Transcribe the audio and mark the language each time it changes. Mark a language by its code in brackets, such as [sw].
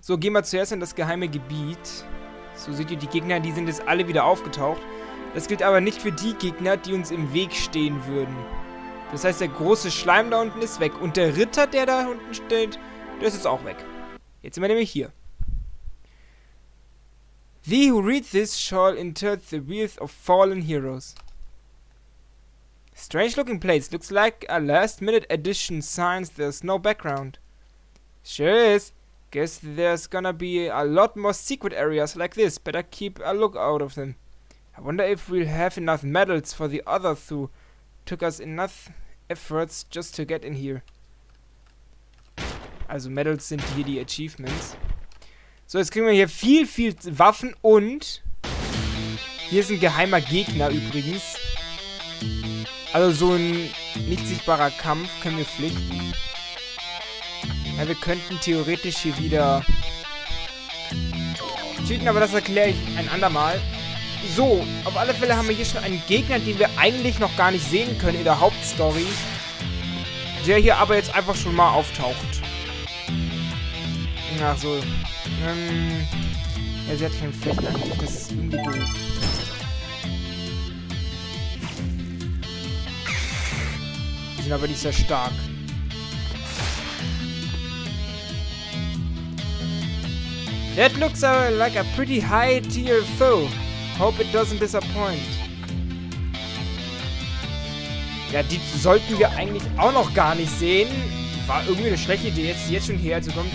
[de] So, gehen wir zuerst in das geheime Gebiet. So seht ihr, die Gegner, die sind jetzt alle wieder aufgetaucht. Das gilt aber nicht für die Gegner, die uns im Weg stehen würden. Das heißt, der große Schleim da unten ist weg. Und der Ritter, der da unten steht, der ist jetzt auch weg. Jetzt sind wir nämlich hier. [en] Thee who read this shall enter the wreath of fallen heroes. Strange looking place. Looks like a last minute addition. Signs there's no background. Sure is. Guess there's gonna be a lot more secret areas like this. Better keep a lookout of them. I wonder if we'll have enough medals for the others who took us enough efforts just to get in here. [de] Also medals sind hier die Achievements. So, jetzt kriegen wir hier viel, viel Waffen und hier ist ein geheimer Gegner übrigens. Also so ein nicht sichtbarer Kampf können wir flüchten. Ja, wir könnten theoretisch hier wieder cheaten, aber das erkläre ich ein andermal. So, auf alle Fälle haben wir hier schon einen Gegner, den wir eigentlich noch gar nicht sehen können in der Hauptstory. der hier aber jetzt einfach schon mal auftaucht. Ach so. Ja, sie hat keinen Flächenangriff. Das ist irgendwie doof. Die sind aber nicht sehr stark. [en] That looks like a pretty high-tier foe. Hope it doesn't disappoint. [de] Ja, die sollten wir eigentlich auch noch gar nicht sehen. War irgendwie eine schlechte Idee, jetzt schon hierher zu kommen.